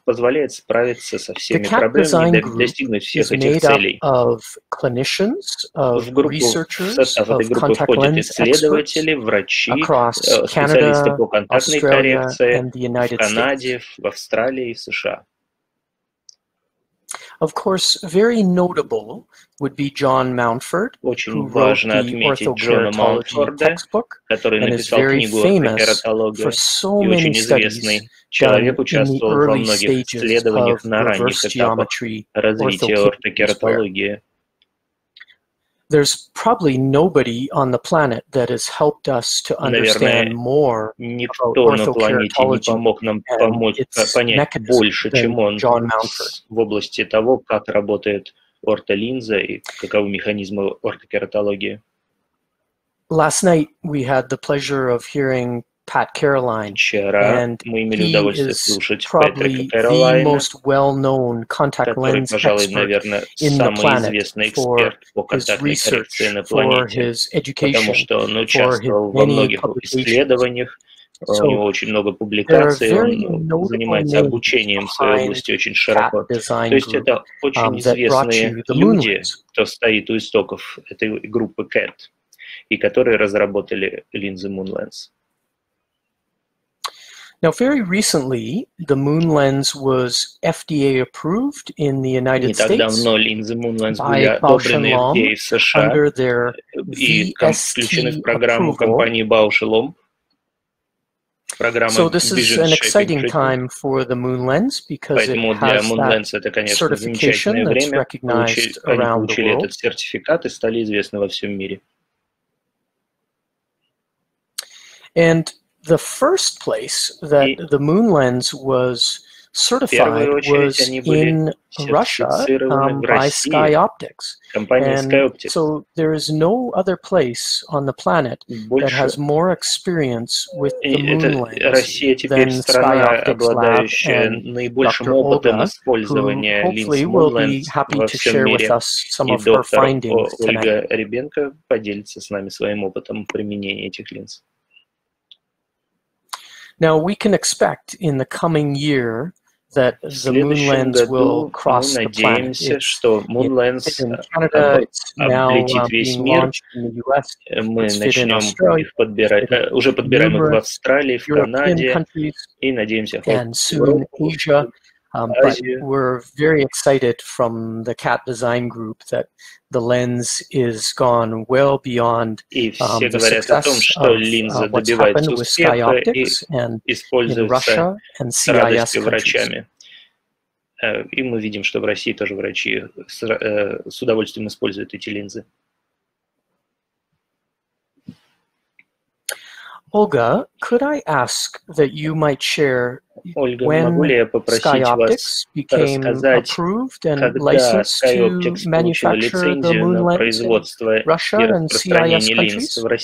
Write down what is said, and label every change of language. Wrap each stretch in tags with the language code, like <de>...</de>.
<en>The KATT Design Group is made up of clinicians, of researchers, of contact lens experts across Canada, Australia, and the United States. Of course, very notable would be John Mountford,</en> <ru>очень важно отметить Джона Маунтфорда, который написал книгу «Кератология» и очень известный человек, участвовал во многих исследованиях на ранних этапах развития ортокератологии.</ru> <en>There's probably nobody on the planet that has helped us to understand more about orthokeratology and its mechanism than John Mountford.</en> <ru>В области того, как работает ортолинза и каковы механизмы ортокератологии.</ru> <en>Last night we had the pleasure of hearing Pat Caroline, and he is probably the most well-known contact lens expert in the planet for his research, for his education, for his many publications.</en> <ru>So, у него очень много публикаций, он занимается обучением в своей области очень широко. То есть это очень известные люди, кто стоит у истоков этой группы KATT, и которые разработали линзы MoonLens.</ru> <en>Now, very recently, the Moon Lens was FDA approved in the United States by Bausch+Lomb under their VST approval. So this is an exciting time for the Moon Lens because it has that certification that's recognized around the world.</en> <ru>Этот сертификат и стали известны во всем мире.</ru> <en>And the first place that the Moon Lens was certified was in Russia by SkyOptix. And so there is no other place on the planet that has more experience with the Moon Lens than SkyOptix lab and Dr. Olga, who hopefully will be happy to share with us some of her findings tonight.</en> <ru>Ольга Ребенко поделится с нами своим опытом применения этих линз.</ru> <en>Now we can expect in the coming year that the Moon Lens will cross the planet. It's Moon Lens in Canada, it's now being launched in the US, it's in Australia, it's in Australia, European countries, and soon Asia. But we're very excited from the KATT Design Group that the lens is gone well beyond the success of what's happened with SkyOptix and in Russia and CIS countries.</en> <ru>И мы видим, что в России тоже врачи с удовольствием используют эти линзы.</ru> <en>Olga, could I ask that you might share</en> <ru>Ольга,</ru> <en>when SkyOptix became approved and licensed to manufacture the Moon Lens in Russia and CIS countries?</en>